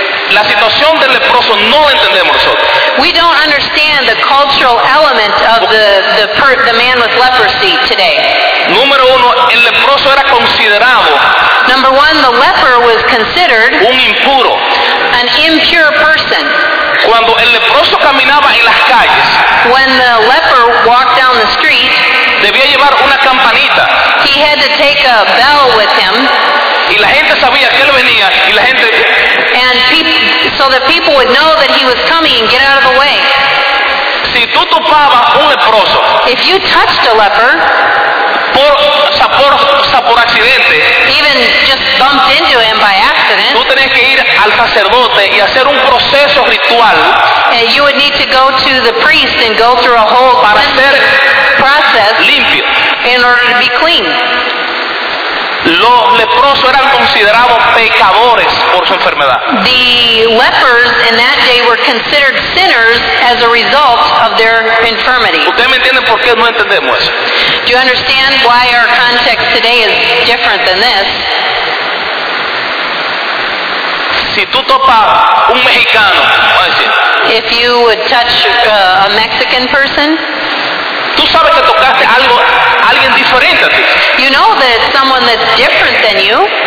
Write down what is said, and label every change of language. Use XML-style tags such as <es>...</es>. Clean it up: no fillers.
<es>La situación del leproso no lo entendemos nosotros.</es> <en>We don't understand the cultural element of the man with leprosy today.</en> <es>Número uno, el leproso era considerado.</es> <en>Number one, the leper was considered</en> <es>un impuro.</es> <en>An impure person.</en> <es>Cuando el leproso caminaba en las calles,</es> <en>when the leper walked down the street,</en> <es>debía llevar una campanita.</es> <en>He had to take a bell with him.</en> <es>Y la gente sabía que él venía y la gente.</es> <en>And so that people would know that he was coming and get out of the way.</en> <es>Si tú topabas un leproso,</es> <en>if you touched a leper,</en> <es>por accidente,</es> <en>even just bumped into him by accident,</en> <es>tú tenías que ir al sacerdote y hacer un proceso ritual.</es> <en>And you would need to go to the priest and go through a whole</en> <es>para ser</es> <en>process</en> <es>limpio.</es> <en>In order to be clean.</en> <es>Los leprosos eran considerados pecadores por su enfermedad.</es> <en>The lepers in that day were considered sinners as a result of their infirmity.</en> <es>¿Ustedes me entienden por qué no entendemos eso?</es> <en>Do you understand why our context today is different than this?</en> <es>Si tú topas un mexicano,</es> <en>if you would touch a Mexican person,</en> <es>tú sabes que tocaste algo, alguien diferente a ti.</es> <en>You know that someone that's different than you.</en>